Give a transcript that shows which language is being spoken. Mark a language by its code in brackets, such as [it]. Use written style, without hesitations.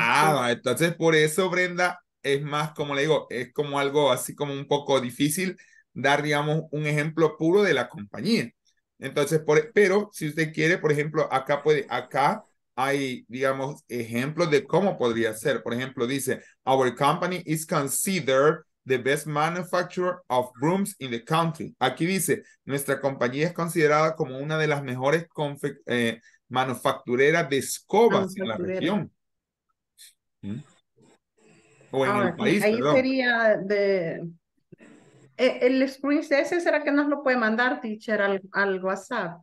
[es] Ah, entonces por eso, Brenda, es más, como le digo, es como algo así como un poco difícil dar, digamos, un ejemplo puro de la compañía. Entonces, pero si usted quiere, por ejemplo, acá puede, acá hay, digamos, ejemplos de cómo podría ser. Por ejemplo, dice, [en] our company is considered the best manufacturer of brooms in the country. [es] Aquí dice, nuestra compañía es considerada como una de las mejores manufacturera de escobas en la región. ¿Mm? O en el país, ahí perdón. Sería de... El Spring CS, ¿será que nos lo puede mandar, teacher, al WhatsApp?